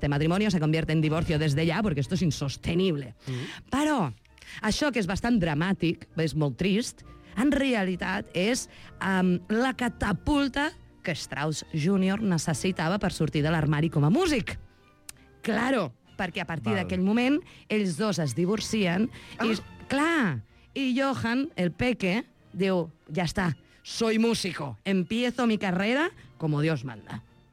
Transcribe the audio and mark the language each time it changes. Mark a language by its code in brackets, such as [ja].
[es] Este matrimonio se convierte en divorcio desde ya porque esto es insostenible. Mm. [ca] Però això, que és bastant dramàtic, és molt trist, en realitat és la catapulta que Strauss Jr. necessitava per sortir de l'armari com a músic. Claro! Perquè a partir d'aquell moment, ells dos es divorcien. Ah. I, clar, i Johan, el peque, diu, ja està, [es] soy músico, empiezo mi carrera como Dios manda.